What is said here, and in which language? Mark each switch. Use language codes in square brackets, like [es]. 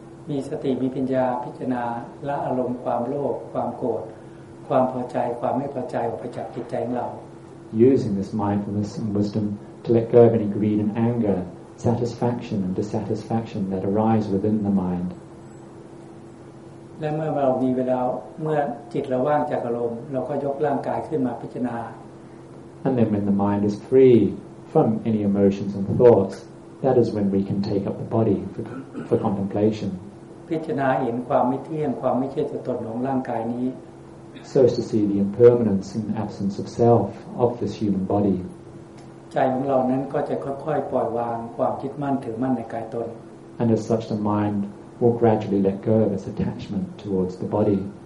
[th] มีสติมีปัญญาพิจารณาละอารมณ์ความโลภความโกรธความพอใจความไม่พอใจออกไปจากจิตใจของเรา [en] Using this mindfulness and wisdom to let go of any greed and anger, satisfaction and dissatisfaction that arise within the mind. [th] และเมื่อเรามีเวลาเมื่อจิตเราว่างจากอารมณ์เราก็ยกร่างกายขึ้นมาพิจารณา [en] And then when the mind is free from any emotions and thoughts, that is when we can take up the body for contemplation. [th] พิจารณาเห็นความไม่เที่ยงความไม่ใช่ตัวตนของร่างกายนี้ [en] So as to see the impermanence and absence of self of this human body. And as such, the mind will gradually let go of its attachment towards the body.